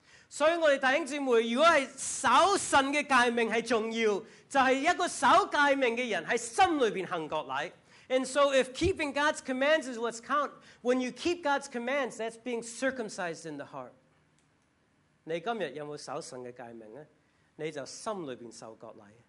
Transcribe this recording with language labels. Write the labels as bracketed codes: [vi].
[zh] 所以我们弟兄姊妹，如果是守神的诫命是重要，就是一个守诫命的人在心里边行国礼。 [en] And so if keeping God's commands is what counts, when you keep God's commands, that's being circumcised in the heart. [zh] 你今天有没有守神的诫命呢？你就心里边受割礼。